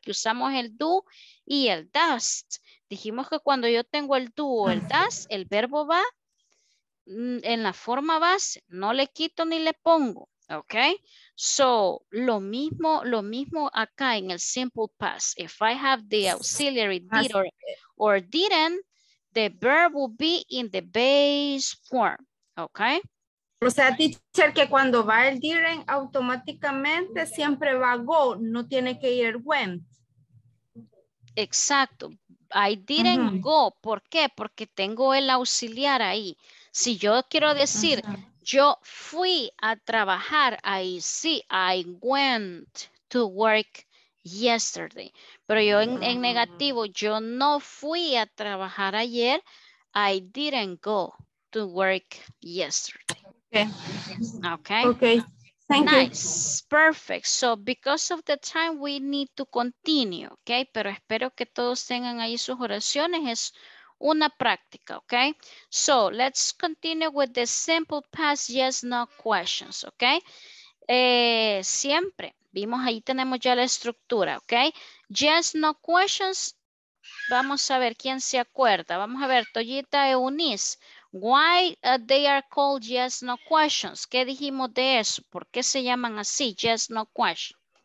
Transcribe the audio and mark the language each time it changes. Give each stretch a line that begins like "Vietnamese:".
Spanish: Que usamos el do y el does. Dijimos que cuando yo tengo el do o el does, el verbo va en la forma base, no le quito ni le pongo. Ok, so lo mismo acá en el simple past.
English: If I have the auxiliary did or didn't, the verb will be in the base form. Ok.
Spanish: O sea, teacher, que cuando va el didn't, automáticamente siempre va go, no tiene que ir el went. Exacto.
English: I didn't go.
Spanish: ¿Por qué? Porque tengo el auxiliar ahí. Si yo quiero decir. Yo fui a trabajar, ahí sí,
English: I went to work yesterday.
Spanish: Pero yo en negativo, yo no fui a trabajar ayer,
English: I didn't go to work yesterday. Okay. Nice, perfect. So because of the time, we need to continue, okay?
Spanish: Pero espero que todos tengan ahí sus oraciones, es una práctica, okay?
English: So let's continue with the simple past yes, no questions, okay?
Spanish: Siempre, vimos ahí tenemos ya la estructura, okay? Yes, no questions. Vamos a ver quién se acuerda. Vamos a ver, Toyita Eunice.
English: Why they are called yes, no questions?
Spanish: ¿Qué dijimos de eso? ¿Por qué se llaman así, yes, no questions?